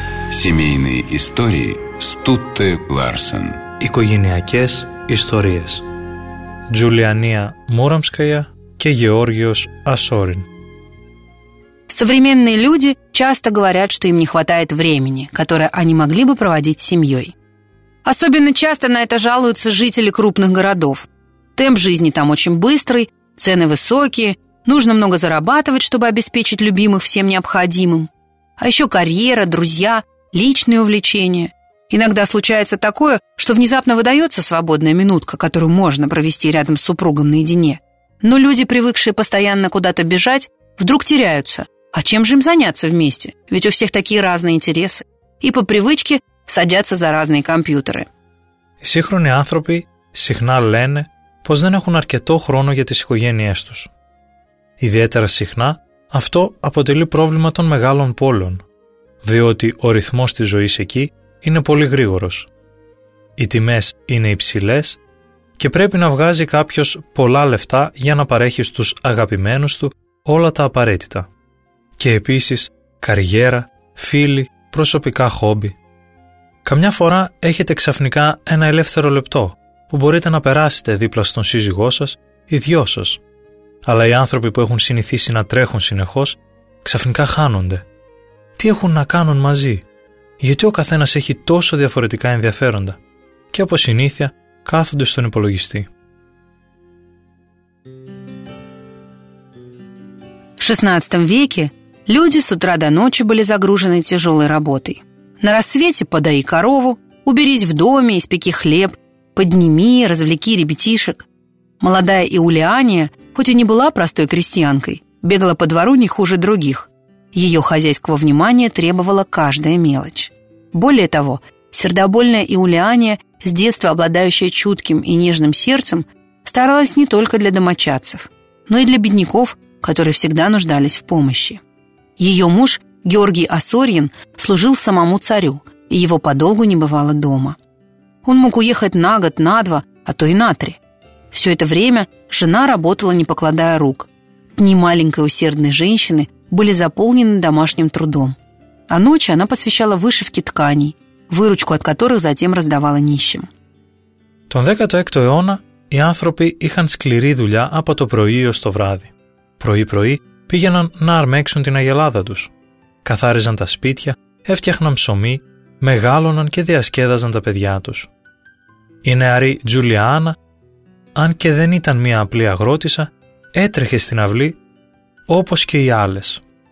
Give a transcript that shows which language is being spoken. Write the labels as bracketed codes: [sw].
[ru] Семейные истории Стутте Ларсен. [el] Οικογενειακές ιστορίες. Τζουλιανία Μούραμσκαια και Γεώργιος Ασόριν. [ru] Современные люди часто говорят, что им не хватает времени, которое они могли бы проводить с семьей. Особенно часто на это жалуются жители крупных городов. Темп жизни там очень быстрый, цены высокие, нужно много зарабатывать, чтобы обеспечить любимых всем необходимым. А еще карьера, друзья, личные увлечения. Иногда случается такое, что внезапно выдается свободная минутка, которую можно провести рядом с супругом наедине. Но люди, привыкшие постоянно куда-то бежать, вдруг теряются. А чем же им заняться вместе? Ведь у всех такие разные интересы. И по привычке садятся за разные компьютеры. [el] Сύγχρονοι άνθρωποι συχνά λένε πως δεν έχουν αρκετό χρόνο για τις οικογένειές τους. Ιδιαίτερα συχνά αυτό αποτελεί πρόβλημα των μεγάλων πόλεων, διότι ο ρυθμός της ζωής εκεί είναι πολύ γρήγορος. Οι τιμές είναι υψηλές και πρέπει να βγάζει κάποιος πολλά λεφτά για να παρέχει στους αγαπημένους του όλα τα απαραίτητα. Και επίσης καριέρα, φίλοι, προσωπικά χόμπι. Καμιά φορά έχετε ξαφνικά ένα ελεύθερο λεπτό που μπορείτε να περάσετε δίπλα στον σύζυγό σας ή δυο σας. Αλλά οι άνθρωποι που έχουν συνηθίσει να τρέχουν συνεχώς ξαφνικά χάνονται. Τι έχουν να κάνουν μαζί? Γιατί ο καθένας έχει τόσο διαφορετικά ενδιαφέροντα και από συνήθεια κάθονται στον υπολογιστή? [ru] 16 веке люди с утра до ночи были загружены тяжелой работой. На рассвете подои корову, уберись в доме, испеки хлеб, подними, развлеки ребятишек. Молодая Иулиания, хоть и не была простой крестьянкой, бегала по двору не хуже других. Ее хозяйского внимания требовала каждая мелочь. Более того, сердобольная Иулиания, с детства обладающая чутким и нежным сердцем, старалась не только для домочадцев, но и для бедняков, которые всегда нуждались в помощи. Ее муж Георгий Оссорьин служил самому царю, и его подолгу не бывало дома. Он мог уехать на год, на два, а то и на три. Все это время жена работала, не покладая рук. Дни маленькой усердной женщины были заполнены домашним трудом. А ночи она посвящала вышивке тканей, выручку от которых затем раздавала нищим. [el] Τον 16ο αιώνα οι άνθρωποι είχαν σκληρή δουλειά από το πρωί ως το βράδυ. Πρωί-πρωί πήγαιναν να αρμέξουν την αγελάδα τους. Καθάριζαν τα σπίτια, έφτιαχναν ψωμί, μεγάλωναν και διασκέδαζαν τα παιδιά τους. Η νεαρή Τζουλιάνα, αν και δεν ήταν μία απλή αγρότησα, έτρεχε στην αυλή όπως και οι άλλες.